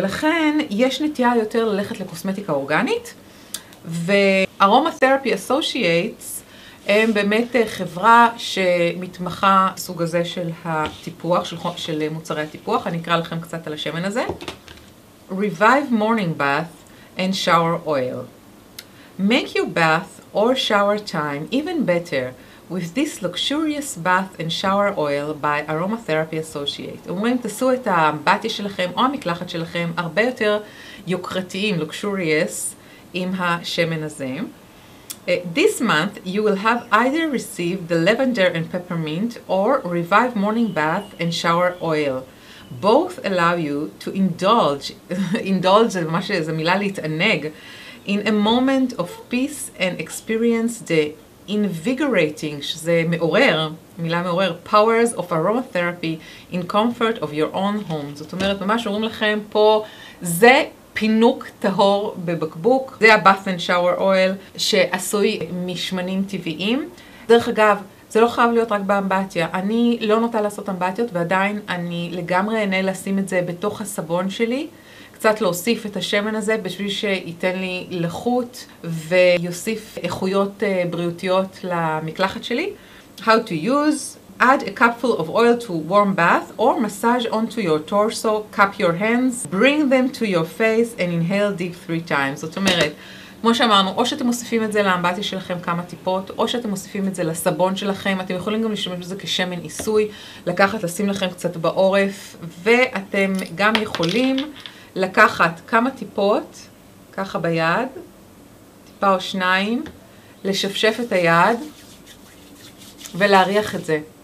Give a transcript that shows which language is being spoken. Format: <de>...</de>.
<he>ולכן יש נטייה יותר ללכת לקוסמטיקה אורגנית, וארומתרפי אסושייטס הם באמת חברה שמתמחה סוג הזה של הטיפוח, של מוצרי הטיפוח. אני אקרא לכם קצת על השמן הזה.</he> <en>Revive morning bath and shower oil. Make your bath or shower time even better with this luxurious bath and shower oil by Aromatherapy Associate.</en> <he>אומרים, תעשו את הבתי שלכם או המקלחת שלכם הרבה יותר יוקרתיים, luxurious, עם השמן הזה.</he> <en>This month you will have either received the lavender and peppermint or revive morning bath and shower oil. Both allow you to indulge</en> <he>זה ממש איזה מילה להתענג,</he> <en>in a moment of peace and experience the invigorating,</en> <he>שזה מעורר, מילה מעורר,</he> <en>powers of aromatherapy in comfort of your own home.</en> <he>זאת אומרת, ממש אומרים לכם פה, זה פינוק טהור בבקבוק, זה ה-</he> <en>bath and shower oil</en> <he>שעשוי משמנים טבעיים. דרך אגב, זה לא חייב להיות רק באמבטיה, אני לא נוטה לעשות אמבטיות, ועדיין אני לגמרי אענה לשים את זה בתוך הסבון שלי, קצת להוסיף את השמן הזה בשביל שייתן לי לחות ויוסיף איכויות בריאותיות למקלחת שלי.</he> <en>How to use? Add a cupful of oil to warm bath or massage onto your torso, cup your hands, bring them to your face and inhale deep 3 times.</en> <he>זאת אומרת, כמו שאמרנו, או שאתם מוסיפים את זה לאמבטיה שלכם כמה טיפות, או שאתם מוסיפים את זה לסבון שלכם. אתם יכולים גם לשמש בזה כשמן עיסוי, לקחת, לשים לכם קצת בעורף, ואתם גם יכולים לקחת כמה טיפות, ככה ביד, טיפה או שניים, לשפשף את היד ולהריח את זה.</he>